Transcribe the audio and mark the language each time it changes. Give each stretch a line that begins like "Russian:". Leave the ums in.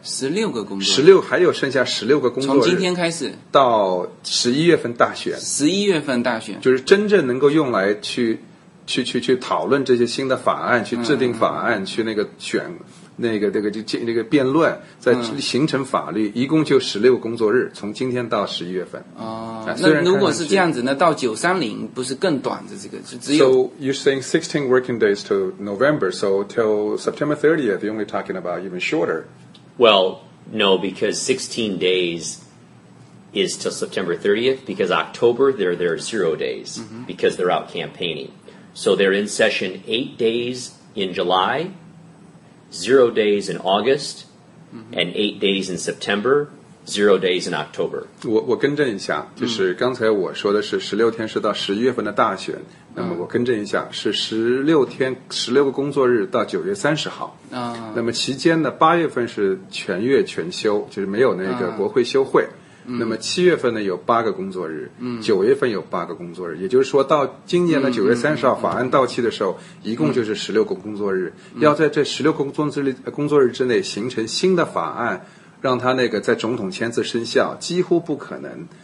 Chinese: 十六个工作日，十六还有剩下十六个工作日。从今天开始到十一月份大选，十一月份大选就是真正能够用来去。去去去讨论这些新的法案，去制定法案，去那个选那个这个就进那个辩论，在形成法律，一共就十六工作日，从今天到十一月份。哦，那如果是这样子呢？到九三零不是更短的？这个就只有。
English: So you r e saying sixteen working days to November? So till September t h i r t i e t h you're only talking about even shorter. Well, no, because sixteen days is till September 30th because October there there zero days because they're out campaigning. so they're in session eight days in july zero days in august and eight days in september zero days in october
Chinese: 我我更正一下就是刚才我说的是十六天是到十一月份的大选那么我更正一下是十六天十六个工作日到九月三十号啊那么期间呢八月份是全月全休就是没有那个国会休会那么七月份呢有八个工作日，九、嗯、月份有八个工作日，嗯、也就是说到今年的九月三十号法案到期的时候，嗯、一共就是十六个工作日，要在这十六个工作日工作日之内形成新的法案，让他那个在总统签字生效，几乎不可能。